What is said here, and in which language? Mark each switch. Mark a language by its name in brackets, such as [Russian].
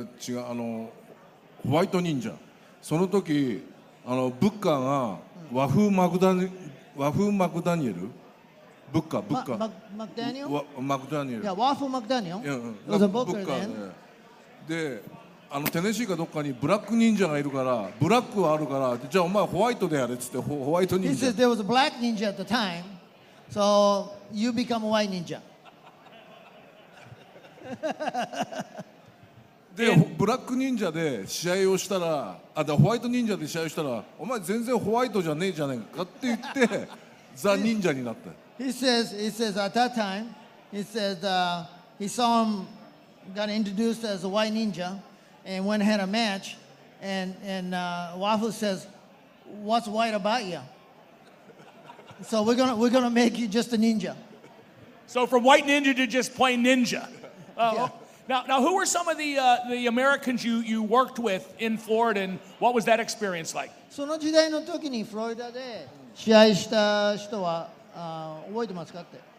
[Japanese] 違う、ホワイトニンジャ。その時、ブッカーが和風マクダニエル? ブッカー。マクダニエル? [English] Yeah, 和風マクダニエル。It was a booker then. [Japanese] で、テネシーかどっかにブラックニンジャがいるから、ブラックはあるから、じゃあお前ホワイトでやれって言って、ホワイトニンジャ。 [English] He says there was a black ninja at the time, so you become a white ninja. [Japanese] で、ブラックニンジャで試合をしたら、あ、だホワイトニンジャで試合をしたら、お前全然ホワイトじゃねえじゃねえかって言って、ザ・ニンジャになった。 [English] He says at that time, he says he saw him got introduced as a white ninja and went ahead a match, and Waffle says, what's white about you? So we're gonna make you just a ninja. So from white ninja to just plain ninja. Now, who were some of the Americans you worked with in Florida, and what was that experience like? [Japanese] その時代の時にフロリダで試合した人は覚えてますかって。